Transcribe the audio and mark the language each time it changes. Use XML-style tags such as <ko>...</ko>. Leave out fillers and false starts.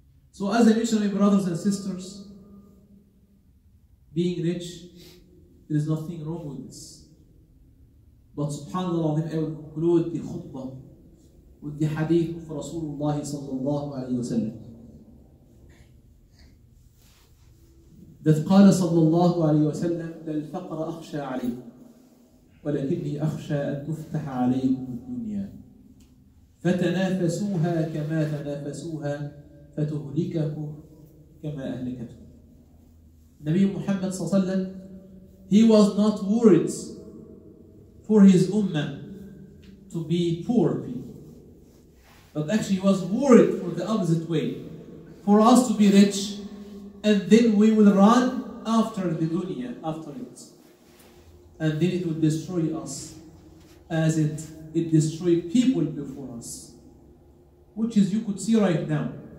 <en>So, as I mentioned, my brothers and sisters, being rich, there is nothing wrong with this. But subhanAllah, I will conclude the khutbah with the hadith of Rasulullah sallallahu alayhi wa sallam.</en> <ar>ذات قال صلى الله عليه وسلم للفقر أخشى عليكم ولكني أخشى أن تفتح عليكم الدنيا فتنافسوها كما تنافسوها فتهلككم كما أهلكتهم. نبي محمد صلى الله عليه وسلم</ar> <en>he was not worried for his ummah to be poor people, but actually he was worried for the opposite way, for us to be rich and then we will run after the dunya, after it, and then it will destroy us as it destroyed people before us, which is you could see right now.</en>